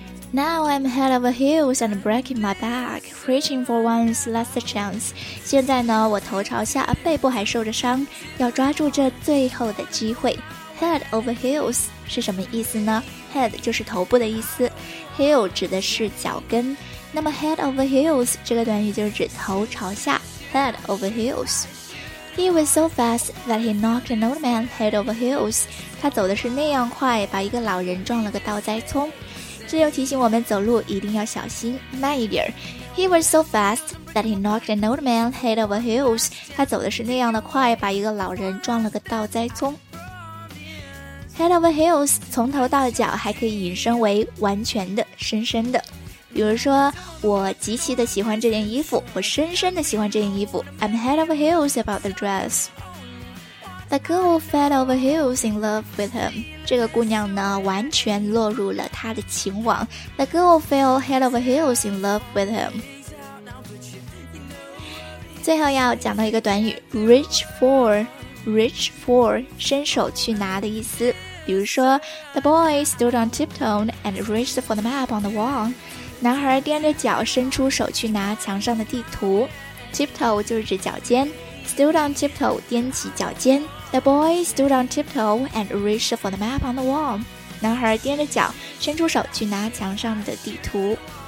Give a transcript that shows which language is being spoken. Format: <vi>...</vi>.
<en>Now I'm head over heels and breaking my back, reaching for one's last chance.</en> <zh>现在呢，我头朝下，背部还受着伤，要抓住这最后的机会。 Head over heels 是什么意思呢？Head 就是头部的意思， heel 指的是脚跟。那么 head over heels 这个短语就是指头朝下， head over heels。</zh> <en>He was so fast that he knocked an old man head over heels.</en> <zh>他走的是那样快，把一个老人撞了个倒栽葱。这又提醒我们走路一定要小心，慢一点。</zh> <en>He was so fast that he knocked an old man head over heels.</en> <zh>他走的是那样的快，把一个老人撞了个倒栽葱。 Head over heels 从头到脚还可以引申为完全的、深深的。比如说，我极其的喜欢这件衣服，我深深的喜欢这件衣服。</zh> <en>I'm head over heels about the dress. The girl fell over heels in love with him.</en> <zh>这个姑娘呢，完全落入了他的情网。</zh> <en>The girl fell head over heels in love with him.</en> <zh>最后要讲到一个短语 ，reach for， reach for， 伸手去拿的意思。比如说</zh> <en>，The boy stood on tiptoe and reached for the map on the wall.</en> <zh>男孩踮着脚伸出手去拿墙上的地图。 Tiptoe 就是指脚尖，</zh> <en>Stood on tiptoe</en> <zh>踮起脚尖。</zh> <en>The boy stood on tiptoe and reached for the map on the wall.</en> <zh>男孩踮着脚伸出手去拿墙上的地图。</zh>